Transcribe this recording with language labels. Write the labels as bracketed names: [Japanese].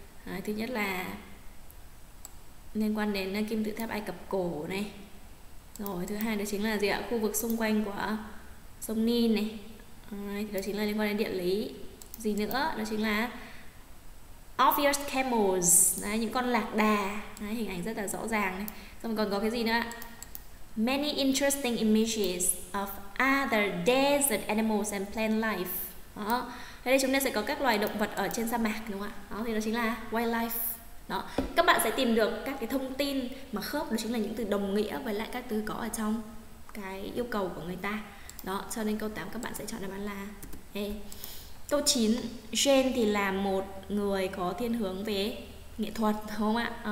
[Vietnamese] Đấy, thứ nhất là liên quan đến kim tự tháp Ai Cập cổ này. Rồi thứ hai đó chính là gì ạ? Khu vực xung quanh của sông Nin này. Đấy, thì đó chính là liên quan đến địa lý. Gì nữa? Đó chính là [English] obvious camels. [Vietnamese] Đấy, những con lạc đà. Đấy, hình ảnh rất là rõ ràng này. Xong còn có cái gì nữa ạ? [English] Many interesting images of other desert animals and plant life. [Vietnamese] Đó. Thế đây chúng ta sẽ có các loài động vật ở trên sa mạc đúng không ạ? Đó thì đó chính là wildlife. Đó. Các bạn sẽ tìm được các cái thông tin mà khớp đó chính là những từ đồng nghĩa với lại các từ có ở trong cái yêu cầu của người ta. Đó, cho nên câu 8 các bạn sẽ chọn đáp án là A. Câu 9, Jane thì là một người có thiên hướng về nghệ thuật đúng không ạ?